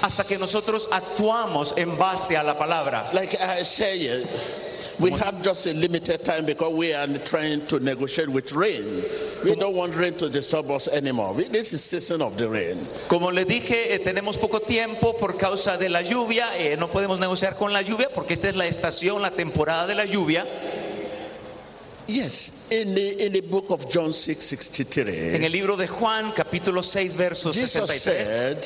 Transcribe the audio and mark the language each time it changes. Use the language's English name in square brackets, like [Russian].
[Spanish] Hasta que nosotros actuamos en base a la palabra. [English] Like I say it. We have just a limited time because we are trying to negotiate with rain. We don't want rain to disturb us anymore. This is season of the rain. [Spanish] Como le dije, tenemos poco tiempo por causa de la lluvia. No podemos negociar con la lluvia porque esta es la estación, la temporada de la lluvia. [English] Yes, in the book of John 6:63. [Spanish] En el libro de Juan, capítulo 6, verso 63.